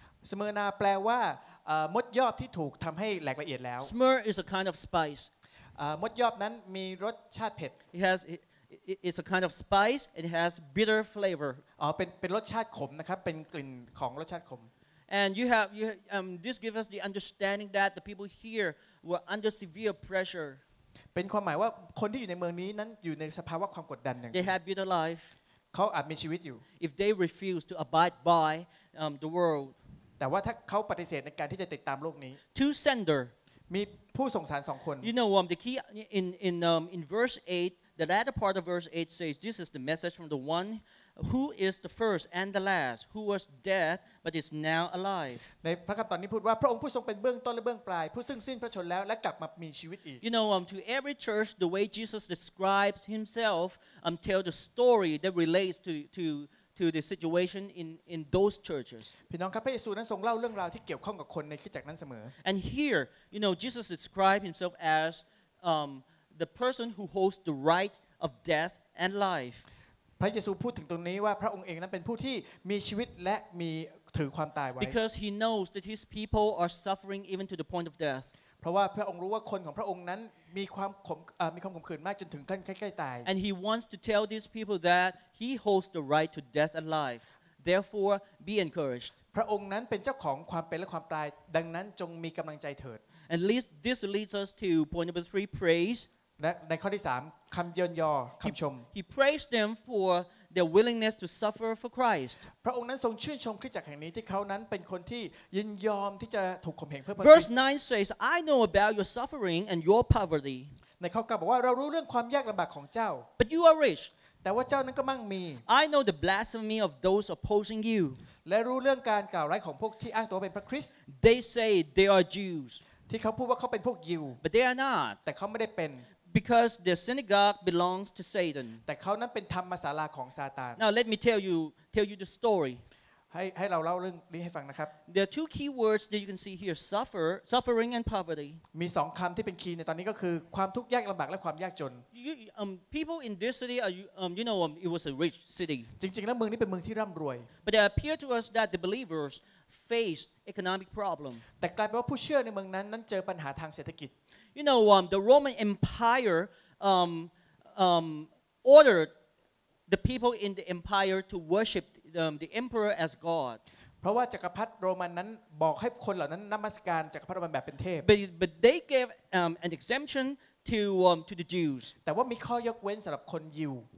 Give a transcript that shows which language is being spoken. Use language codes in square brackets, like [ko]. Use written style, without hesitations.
[th] Smyrna แปลว่ามดยอบที่ถูกทำให้แหลกละเอียดแล้ว [en] Smyr is a kind of spice. [th] มดยอบนั้นมีรสชาติเผ็ด [en] It has it's a kind of spice. It has bitter flavor. [th] เป็นรสชาติขมนะครับเป็นกลิ่นของรสชาติขม [en] And you have this gives us the understanding that the people here were under severe pressure. [th] เป็นความหมายว่าคนที่อยู่ในเมืองนี้นั้นอยู่ในสภาวะความกดดันอย่าง [en] They have bitter life. [th] เขาอาจมีชีวิตอยู่ [en] If they refuse to abide by the world. [th] แต่ว่าถ้าเขาปฏิเสธในการที่จะติดตามโลกนี้ [en] Two sender. [th] มีผู้ส่งสารสองคน [en] You know the key in verse 8 the latter part of verse 8 says this is the message from the one who is the first and the last who was dead but is now alive [th] ในพระคัมภีร์นี้พูดว่าพระองค์ผู้ทรงเป็นเบื้องต้นและเบื้องปลายผู้ซึ่งสิ้นพระชนแล้วและกลับมามีชีวิตอีก [en] You know to every church the way Jesus describes himself tell the story that relates to the situation in those churches. [th] พี่น้องครับพระเยซูนั้นทรงเล่าเรื่องราวที่เกี่ยวข้องกับคนในคริสตจักรนั้นเสมอ [en] And here, you know, Jesus described himself as the person who holds the right of death and life. [th] พระเยซูพูดถึงตรงนี้ว่าพระองค์เองนั้นเป็นผู้ที่มีชีวิตและมีถือความตายไว้ [en] Because he knows that his people are suffering even to the point of death. [th] เพราะว่าพระองค์รู้ว่าคนของพระองค์นั้นมีความขมมีความขมขื่นมากจนถึงขั้นใกล้ๆตาย [en] And he wants to tell these people that he holds the right to death and life. Therefore, be encouraged. [th] พระองค์นั้นเป็นเจ้าของความเป็นและความตายดังนั้นจงมีกำลังใจเถิด [en] And this leads us to point number 3 praise. [th] และในข้อที่3คำเยินยอคำชม [en] He praised them for their willingness to suffer for Christ. [th] พระองค์นั้นทรงชื่นชมคริสตจักรแห่งนี้ที่เขานั้นเป็นคนที่ยินยอมที่จะถูกข่มเหงเพื่อพระ [en] เยซู Verse 9 says, I know about your suffering and your poverty. [th] ในข้อ9บอกว่าเรารู้เรื่องความยากลำบากของเจ้า [en] But you are rich. [th] แต่ว่าเจ้านั้นก็มั่งมี [en] I know the blasphemy of those opposing you. [th] และรู้เรื่องการกล่าวร้ายของพวกที่อ้างตัวเป็นพระคริสต์ [en] They say they are Jews. [th] ที่เขาพูดว่าเขาเป็นพวกยิว [en] But they are not. [th] แต่เขาไม่ได้เป็น [en] Because the synagogue belongs to Satan. [th] แต่เขานั้นเป็นธรรมศาลาของซาตาน [en] Now let me tell you the story. [th] ให้เราเล่าเรื่องนี้ให้ฟังนะครับ [en] There are two key words that you can see here: suffering and poverty. [th] มีสองคำที่เป็นคีย์ในตอนนี้ก็คือความทุกข์ยากลำบากและความยากจน [en] People in this city are it was a rich city. [th] จริงๆแล้วเมืองนี้เป็นเมืองที่ร่ำรวย [en] But it appeared to us that the believers faced economic problem. [th] แต่กลายเป็นว่าผู้เชื่อในเมืองนั้นเจอปัญหาทางเศรษฐกิจ [en] You know, the Roman Empire ordered the people in the empire to worship the emperor as god. [th] เพราะว่าจักรพรรดิโรมันนั้นบอกให้คนเหล่านั้นนมัสการจักรพรรดิโรมันแบบเป็นเทพ [en] But they gave an exemption to the Jews. [th] แต่ว่ามีข้อยกเว้นสำหรับคนยิว